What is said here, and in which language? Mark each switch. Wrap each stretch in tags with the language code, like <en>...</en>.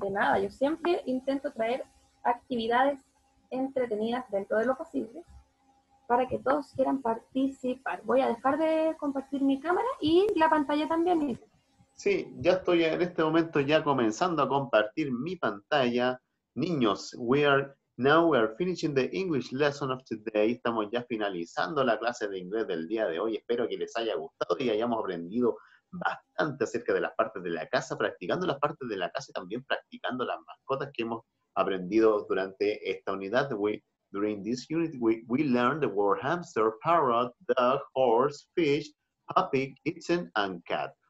<es>De nada, yo siempre intento traer actividades entretenidas dentro de lo posible para que todos quieran participar. Voy a dejar de compartir mi cámara y la pantalla también. Sí, ya estoy en este momento ya comenzando a compartir mi pantalla.</es> <en>Niños, we are finishing the English lesson of today.</en> <es>Estamos ya finalizando la clase de inglés del día de hoy. Espero que les haya gustado y hayamos aprendido bastante acerca de las partes de la casa, practicando las partes de la casa y también practicando las mascotas que hemos aprendido durante esta unidad.</es> <en>During this unit, we learned the word hamster, parrot, duck, horse, fish, puppy, kitchen, and cat.</en>